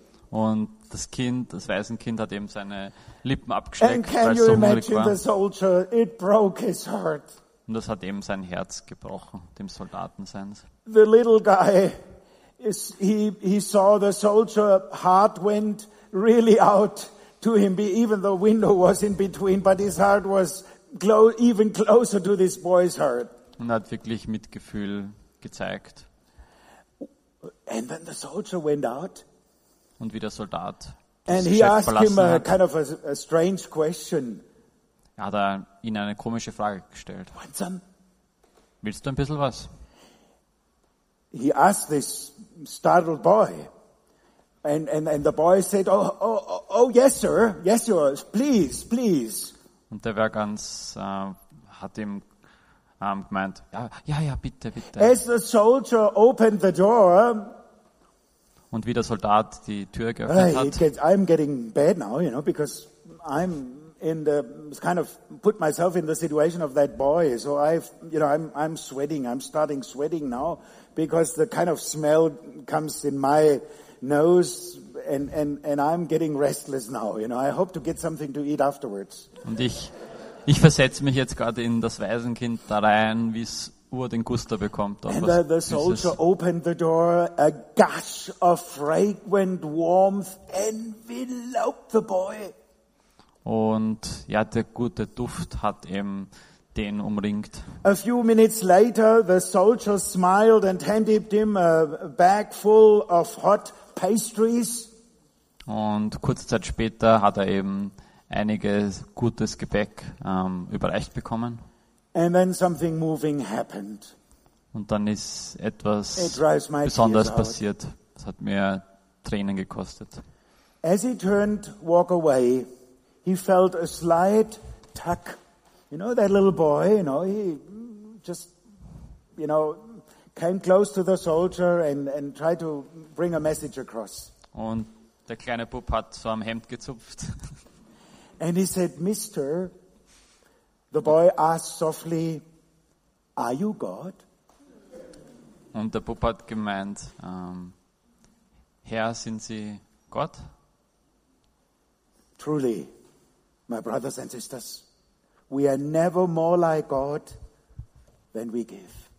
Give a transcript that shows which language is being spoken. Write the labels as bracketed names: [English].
[German] Und das Kind, das weiße Kind, hat eben seine Lippen abgeschleckt, weil es so hungrig war. [English] And can you imagine the soldier? It broke his heart. [German] Und das hat eben sein Herz gebrochen, dem Soldaten seins. [English] The little guy, he saw the soldier heart went really out to him, even the window was in between, but his heart was even closer to this boy's heart. [German] Und hat wirklich Mitgefühl gezeigt. [English] And then the soldier went out. [German] Und wie der Soldat [English] and he asked him a strange question. [German] Hat er ihn eine komische Frage gestellt. [English] Want some? [German] Willst du ein bisschen was? [English] He asked this startled boy. And the boy said, oh, yes, sir, please, please. [German] Und der war ganz, hat ihm gemeint, ja, bitte, bitte. [English] As the soldier opened the door, [German] und wie der Soldat die Tür geöffnet hat. [English] I'm getting bad now, you know, because I'm in the kind of put myself in the situation of that boy. So I'm sweating. I'm starting sweating now because the kind of smell comes in my nose and I'm getting restless now. You know, I hope to get something to eat afterwards. [German] Und ich versetze mich jetzt gerade in das Waisenkind da rein, wie es den Guster bekommt. [English] And the soldier opened the door. A gush of fragrant warmth enveloped the boy. [German] Und ja, der gute Duft hat eben den umringt. [English] A few minutes later, the soldier smiled and handed him a bag full of hot pastries. [German] Und kurze Zeit später hat er eben einiges gutes Gepäck überreicht bekommen. [English] And then something moving happened. [German] Und dann ist etwas Besonderes passiert. Es hat mir Tränen gekostet. [English] As he turned to walk away, he felt a slight tuck. You know that little boy, you know, he just, you know, came close to the soldier and tried to bring a message across. [German] Und der kleine Bub hat so am Hemd gezupft. [English] And he said, Mister, the boy asked softly, are you God? [German] Und der Bub hat gemeint, Herr, sind Sie Gott? [English] Truly, my brothers and sisters, we are never more like God than we give.